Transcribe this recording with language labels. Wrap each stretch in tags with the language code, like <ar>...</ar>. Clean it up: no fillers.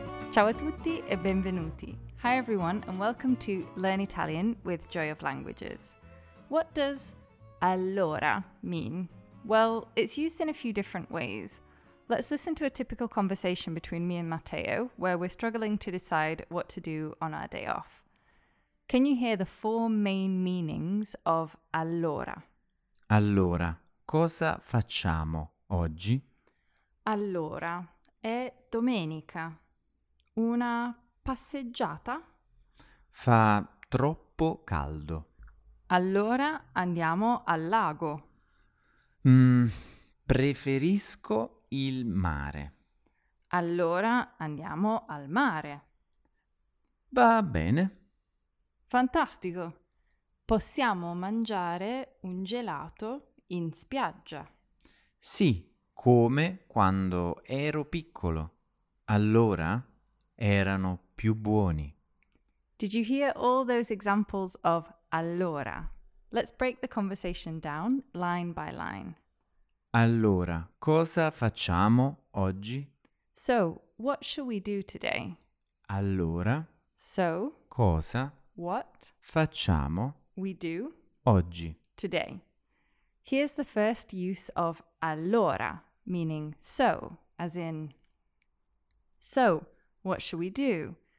<it>Ciao a tutti e benvenuti.</it> <en>Hi everyone and welcome to Learn Italian with Joy of Languages. What does allora mean? Well, it's used in a few different ways. Let's listen to a typical conversation between me and Matteo where we're struggling to decide what to do on our day off. Can you hear the four main meanings of allora?</en> <it>Allora, cosa facciamo oggi? Allora, è domenica. Una passeggiata? Fa troppo caldo. Allora andiamo al lago. Preferisco il mare. Allora andiamo al mare. Va bene. Fantastico. Possiamo mangiare un gelato in spiaggia. Sì, come quando ero piccolo. Allora erano più buoni.</it> <en>Did you hear all those examples of allora? Let's break the conversation down line by line.</en> <it>Allora, cosa facciamo oggi?</it> <en>So, what shall we do today?</en> <it>Allora,</it> <en>so,</en> <it>cosa,</it> <en>what,</en> <it>facciamo,</it> <en>we do,</en> <it>oggi,</it> <en>today. Here's the first use of allora, meaning so, as in, so, what shall we do?</en>